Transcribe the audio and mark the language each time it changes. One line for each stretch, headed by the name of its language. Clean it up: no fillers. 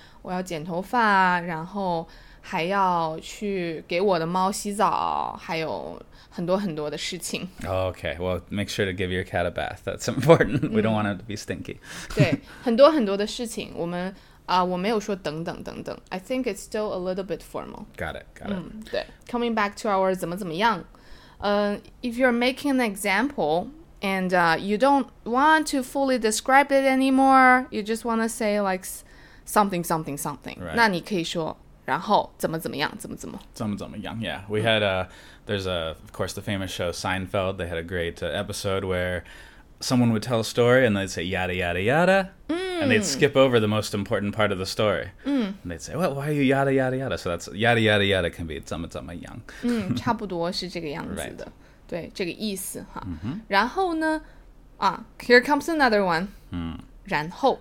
Chinese: 我要剪头发，然后还要去给我的猫洗澡，还有很多很多的事情。
English: Okay, well, make sure to give your cat a bath. That's important. We don't want it to be stinky.
Chinese: 对，很多很多的事情，我们我没有说等等等等。
English: I think it's still a little bit formal. Got it. 对 ，coming back to our 怎么怎么样。 If you're making an example and you don't want to fully describe it anymore, you just want to say like something, something, something.
Chinese: 那你可以说然后怎么怎么样怎么怎么
English: 怎么怎么样 Yeah, we had there's of course the famous show Seinfeld. They had a great episode where someone would tell a story and they'd say yada yada yada. And they'd skip over the most important part of the story. And they'd say, well, why are you yada, yada, yada? So that's yada, yada, yada can be 怎么怎么样。
Chinese: 差不多是这个样子的。对，这个意思。然后呢，
English: here comes another one.
Chinese: 然后。